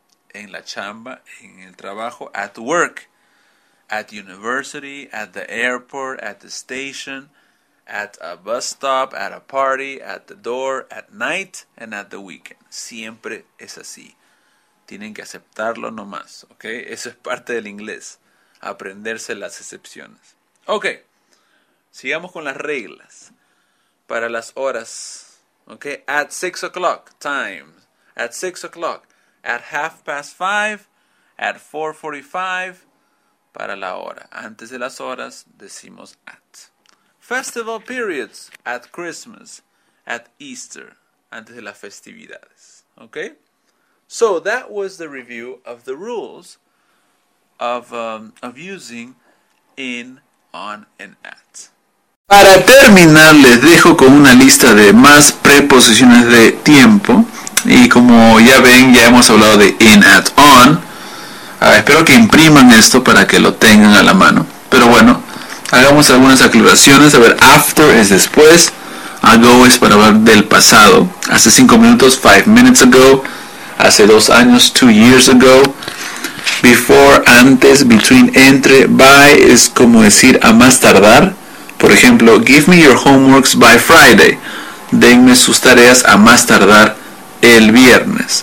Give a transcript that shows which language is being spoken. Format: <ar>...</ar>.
<es>En la chamba, en el trabajo,</es> <en>at work, at university, at the airport, at the station, at a bus stop, at a party, at the door, at night, and at the weekend.</en> <es>Siempre es así. Tienen que aceptarlo nomás, ¿ok? Eso es parte del inglés, aprenderse las excepciones. Ok, sigamos con las reglas. Para las horas, ¿ok?</es> <en>At 6 o'clock, time, at 6 o'clock. At 5:30, at 4:45,</en> <es>para la hora. Antes de las horas, decimos at.</es> <en>Festival periods, at Christmas, at Easter,</en> <es>antes de las festividades. Okay?</es> <en>So that was the review of the rules of using in on, and at.</en> <es>Para terminar, les dejo con una lista de más preposiciones de tiempo. Y como ya ven, ya hemos hablado de in, at, on. Espero que impriman esto para que lo tengan a la mano. Pero bueno, hagamos algunas aclaraciones. A ver, after es después. Ago es para hablar del pasado. Hace 5 minutos,</es> <en>5 minutes ago.</en> <es>Hace 2 años,</es> <en>2 years ago.</en> <es>Before, antes, between, entre. By es como decir a más tardar. Por ejemplo,</es> <en>give me your homeworks by Friday.</en> <es>Denme sus tareas a más tardar el viernes.</es>